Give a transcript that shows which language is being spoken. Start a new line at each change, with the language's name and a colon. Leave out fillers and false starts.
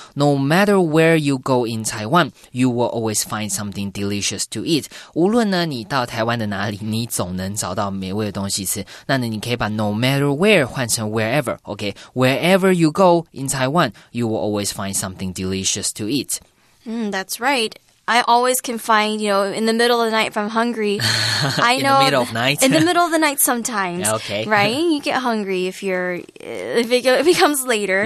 English: No matter where you go in Taiwan, you will always find something delicious to eat.
Chinese: 无论呢你到台湾的哪里，你总能找到美味的东西吃。那呢，你可以把 no matter where换成 wherever, OK?
English: Wherever you go in Taiwan, you will always find something delicious to eat. That's right. I always can find, you know, in the middle of the night if I'm hungry. in the middle of the night sometimes. Yeah, okay. Right? You get hungry if it becomes later.